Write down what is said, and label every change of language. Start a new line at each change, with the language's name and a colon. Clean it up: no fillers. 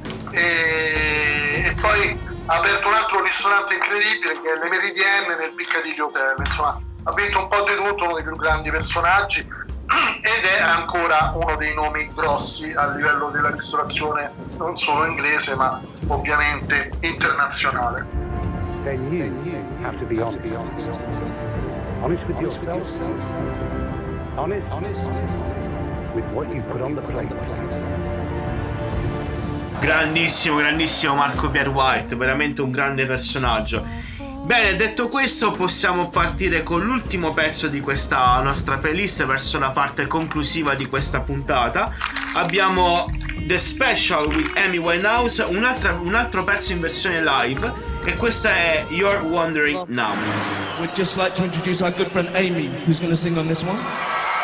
Italian: e poi ha aperto un altro ristorante incredibile che è Le Meridienne nel Piccadilly Hotel, insomma ha vinto un po' di tutto, uno dei più grandi personaggi ed è ancora uno dei nomi grossi a livello della ristorazione non solo inglese ma ovviamente internazionale.
English: Then you have to be honest with yourself. Honest with what you put on the plate.
Italian: Grandissimo, grandissimo Marco Pierre White, veramente un grande personaggio. Bene, detto questo, possiamo partire con l'ultimo pezzo di questa nostra playlist verso la parte conclusiva di questa puntata. Abbiamo The Special with Amy Winehouse, un altro pezzo in versione live, e questa è You're Wondering Now.
English: We'd just like to introduce our good friend Amy, who's gonna sing on this one.